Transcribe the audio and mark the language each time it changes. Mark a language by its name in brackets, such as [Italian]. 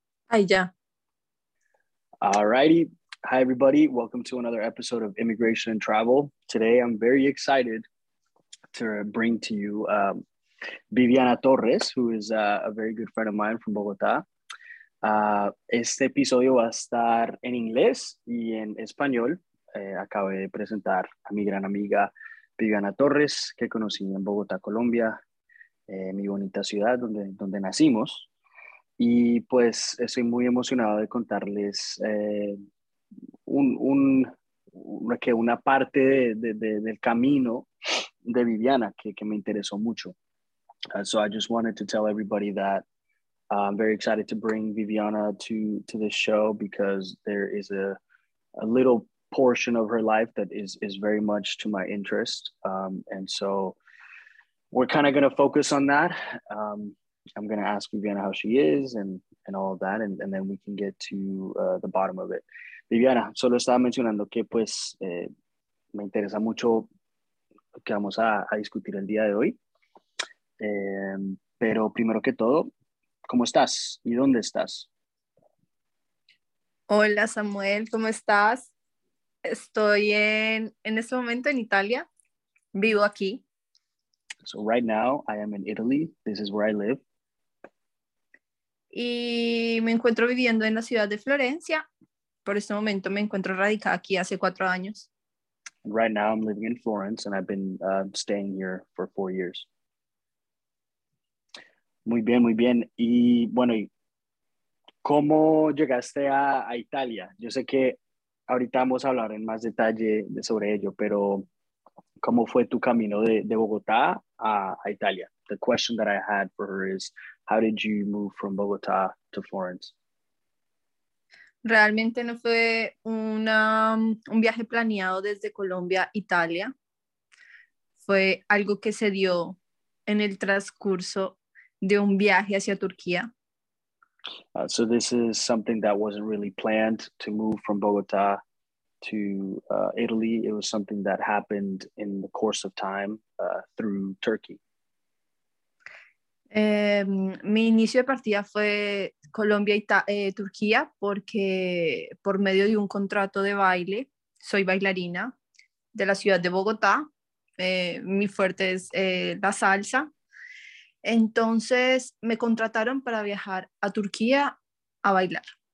[English] Hi, yeah. All righty. Hi, everybody. Welcome to another episode of Immigration and Travel. Today, I'm very excited to bring to you Viviana Torres, who is a very good friend of mine from Bogota. [Spanish] Este episodio va a estar en inglés y en español. Acabo de presentar a mi gran amiga Viviana Torres, que conocí en Bogotá, Colombia, mi bonita ciudad donde nacimos. Y pues estoy muy emocionado de contarles una parte del camino de Viviana que me interesó mucho. [English] So I just wanted to tell everybody that I'm very excited to bring Viviana to this show, because there is a little portion of her life that is very much to my interest. And so we're kind of going to focus on that. I'm going to ask Viviana how she is and all of that, and then we can get to the bottom of it. [Spanish] Viviana, solo estaba mencionando que pues me interesa mucho lo que vamos a discutir el día de hoy. Pero primero que todo, ¿cómo estás y dónde estás? Hola, Samuel, ¿cómo estás? Estoy en este momento en Italia. Vivo aquí. [English] So right now I am in Italy. This is where I live. [Spanish] Y me encuentro viviendo en la ciudad de Florencia. Por este momento me encuentro radicada aquí hace 4 años. [English] And right now I'm living in Florence and I've been staying here for 4 years. [Spanish] Muy bien, muy bien. Y bueno, ¿cómo llegaste a Italia? Yo sé que ahorita vamos a hablar en más detalle sobre ello, pero ¿cómo fue tu camino de Bogotá a Italia? [English] The question that I had for her is, how did you move from Bogotá to Florence? [Spanish] Realmente no fue un viaje planeado desde Colombia a Italia. Fue algo que se dio en el transcurso de un viaje hacia Turquía. [English] So this is something that wasn't really planned, to move from Bogotá to Italy. It was something that happened in the course of time through Turkey. [Spanish] Mi inicio de partida fue Colombia y Turquía porque por medio de un contrato de baile, soy bailarina de la ciudad de Bogotá. Mi fuerte es la salsa. Entonces me contrataron para viajar a Turquía a bailar.